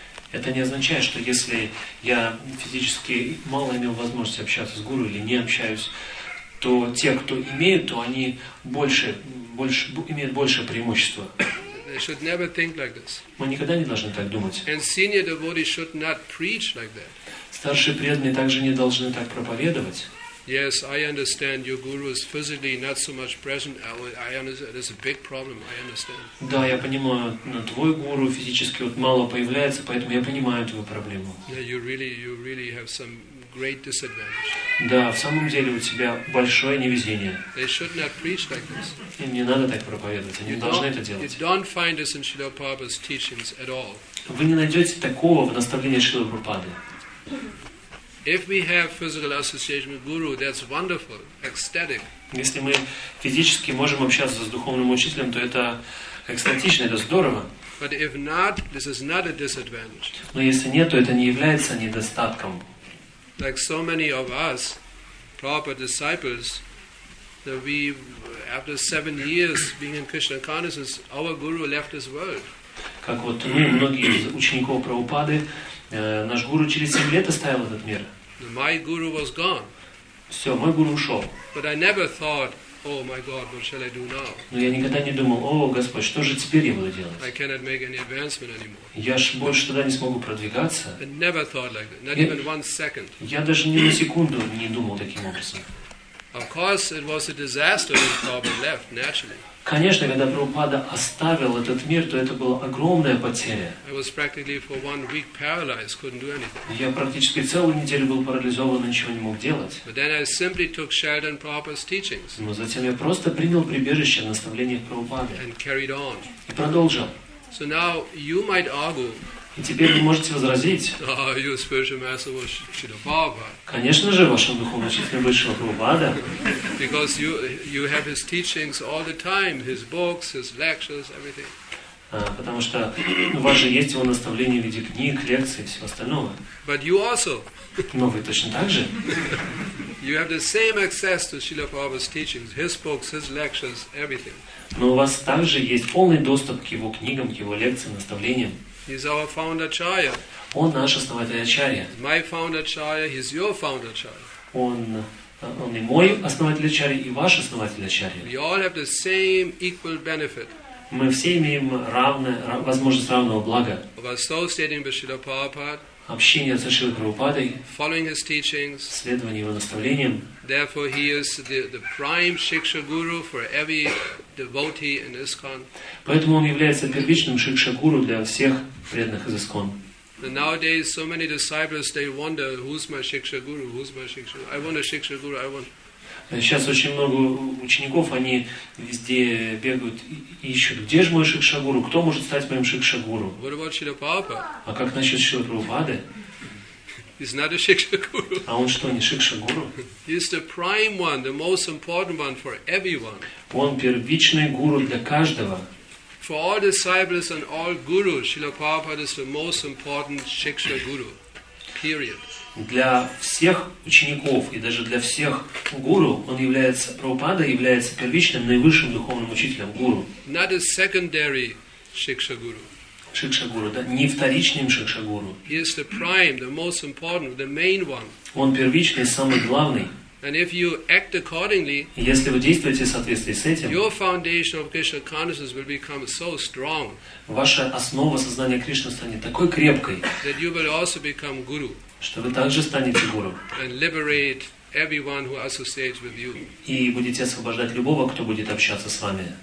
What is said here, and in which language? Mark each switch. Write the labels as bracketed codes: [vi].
[ru] Это не означает, что если я физически мало имел возможности общаться с гуру или не общаюсь, то те, кто имеют, то они имеют больше преимущества. [en] They should never think like this. [ru] Мы никогда не должны так думать. [en] And senior devotees should not preach like that. [ru] Старшие преданные также не должны так проповедовать. [en] Yes, I understand your guru is physically not so much present. I understand. It's a big problem. I understand. [ru] Да, я понимаю. Но твой гуру физически вот мало появляется, поэтому я понимаю твою проблему. [en] Yeah, you really have some great disadvantage. [ru] Да, в самом деле у тебя большое невезение. [en] They should not preach like this. [ru] Им не надо так проповедовать. Они не должны это делать. [en] You don't find this in Srila Prabhupada's teachings at all. [ru] Вы не найдете такого в наставлении Шрилы Прабхупады. [en] If we have physical association with guru, that's wonderful, ecstatic. [ru] Если мы физически можем общаться с духовным учителем, то это экстатично, это здорово. [en] But if not, this is not a disadvantage. [ru] Но если нет, то это не является недостатком. [en] Like so many of us, proper disciples, that we, after 7 years being in Krishna consciousness, our guru left this world. [ru] Как вот мы, многие из учеников Прабхупады, Наш гуру через 7 лет оставил этот мир. [en] My guru was gone. [ru] Все, мой гуру ушел. [en] But I never thought, oh my God, what shall I do now? [ru] Но я никогда не думал, о Господь, что же теперь я буду делать? [en] I cannot make any advancement anymore. [ru] Я ж больше тогда не смогу продвигаться. [en] I never thought like that, not even one second. [ru] Я даже ни на секунду не думал таким образом. [en] Of course, it was a disaster when Prabhupada left, naturally. [ru] Конечно, когда Прабхупада оставил этот мир, то это была огромная потеря. [en] I was practically for one week paralyzed, couldn't do anything. [ru] Я практически целую неделю был парализован, ничего не мог делать. [en] But then I simply took Sheldon Prabhupada's teachings. [ru] Но затем я просто принял прибежище наставления Прабхупады. [en] And carried on. [ru] И продолжил. [en] So now you might argue. [ru] И теперь вы можете возразить. [en] Oh, your spiritual master was Śrīla Prabhupāda. [ru] Конечно же, вашим духовным учителем был Śrīla Prabhupāda. [en] Because you have his teachings all the time, his books, his lectures, everything. [ru] Потому что у вас же есть его наставления в виде книг, лекций и всего остального. [en] But you also. [ru] Но вы точно так же. [en] You have the same access to Śrīla Prabhupāda's teachings, his books, his lectures, everything. [ru] Но у вас также есть полный доступ к его книгам, к его лекциям, наставлениям. [en] He's our founder Acharya. [ru] Он наш основатель Ачарья. [en] My founder Acharya, he's your founder Acharya. [ru] Он и мой основатель Ачарья, и ваш основатель Ачарья. [en] We all have the same equal benefit. [ru] Мы все имеем возможность равного блага. [en] Of associating with Śrīla Prabhupāda. [ru] Общение со Śrīla Prabhupādой. [en] Following his teachings. [ru] Следование его наставлениям. [en] Therefore, he is the prime Shiksha Guru for every devotee in ISKCON. [ru] Поэтому он является первичным Шикша Гуру для всех преданных из ISKCON. [en] And nowadays, so many disciples they wonder, who's my Shiksha Guru? Who's my Shiksha Guru? I want a Shiksha Guru. I want. [ru] Сейчас очень много учеников, они везде бегают и ищут, где же мой Шикша Гуру? Кто может стать моим Шикша Гуру? [en] What about Śrīla Prabhupāda? [ru] А как насчет Śrīla Prabhupāda? [en] He's not a Shiksha Guru. [ru] А он что, не Шикша Гуру? [en] He's the prime one, the most important one for everyone. [ru] Он первичный гуру для каждого. [en] For all disciples and all gurus, Śrīla Prabhupāda is the most important Shiksha Guru. Period. [ru] Для всех учеников и даже для всех гуру, он является, Прабхупада является первичным, наивысшим духовным учителем, гуру. [en] Not a secondary Shiksha Guru. [ru] Шикша Гуру, да, не вторичным Шикша Гуру. [en] He is the prime, the most important, the main one. [ru] Он первичный, самый главный. [en] And if you act accordingly, [ru] если вы действуете в соответствии с этим, [en] your foundation of Krishna consciousness will become so strong, [ru] ваша основа сознания Кришны станет такой крепкой, [en] that you will also become guru, [ru] что вы также станете гуру, [en] and liberate everyone who associates with you. [ru] И будете освобождать любого, кто будет общаться с вами.